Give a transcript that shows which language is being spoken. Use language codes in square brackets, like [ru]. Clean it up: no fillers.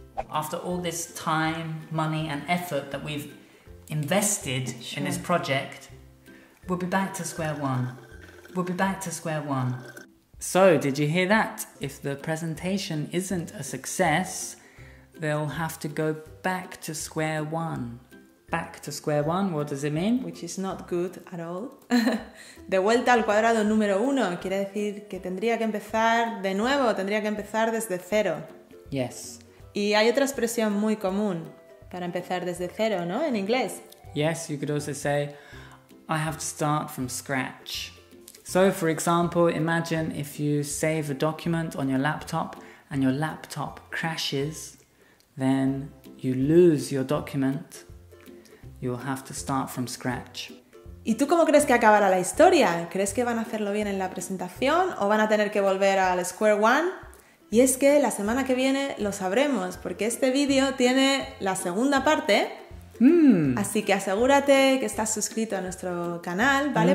[en] After all this time, money and effort that we've invested in this project, we'll be back to square one. We'll be back to square one. So, did you hear that? If the presentation isn't a success, they'll have to go back to square one. Back to square one, what does it mean? Which is not good at all. [es] De vuelta al cuadrado número uno. Quiere decir que tendría que empezar de nuevo, tendría que empezar desde cero. [en] Yes. [es] Y hay otra expresión muy común para empezar desde cero, ¿no? En inglés. [en] Yes, you could also say, I have to start from scratch. So, for example, imagine if you save a document on your laptop and your laptop crashes, then you lose your document. You'll have to start from scratch. [es] ¿Y tú cómo crees que acabará la historia? ¿Crees que van a hacerlo bien en la presentación o van a tener que volver al square one? Y es que la semana que viene lo sabremos, porque este vídeo tiene la segunda parte. Así que asegúrate que estás suscrito a nuestro canal, ¿vale?